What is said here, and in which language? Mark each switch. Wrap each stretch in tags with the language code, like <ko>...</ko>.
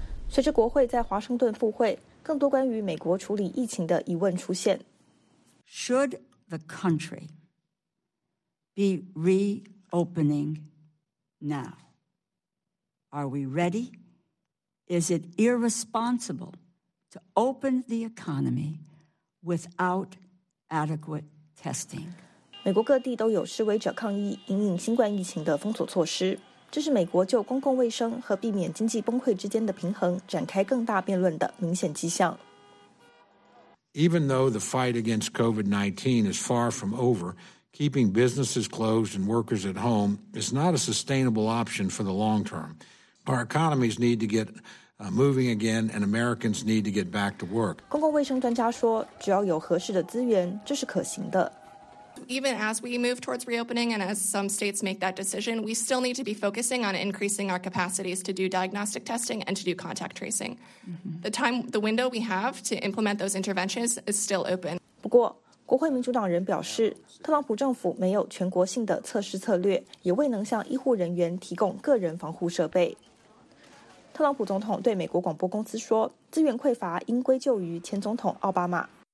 <zh>随着国会在华盛顿复会，更多关于美国处理疫情的疑问出现。</zh> <en>Should the country be reopening now? Are we ready? Is it irresponsible to open the economy without adequate testing?</en> <zh>美国各地都有示威者抗议因应新冠疫情的封锁措施，这是美国就公共卫生和避免经济崩溃之间的平衡展开更大辩论的明显迹象。</zh> <en>Even though the fight against COVID-19 is far from over, keeping businesses closed and workers at home is not a sustainable option for the long term. Our economies need to get moving again, and Americans need to get back to work.</en> <zh>公共卫生专家说，只要有合适的资源，这是可行的。</zh> <en>Even as we move towards reopening and as some states make that decision, we still need to be focusing on increasing our capacities to do diagnostic testing and to do contact tracing. The window we have to implement those interventions is still open.</en> <zh>不过，国会民主党人表示，特朗普政府没有全国性的测试策略，也未能向医护人员提供个人防护设备。特朗普总统对美国广播公司说，资源匮乏应归咎于前总统奥巴马。</zh>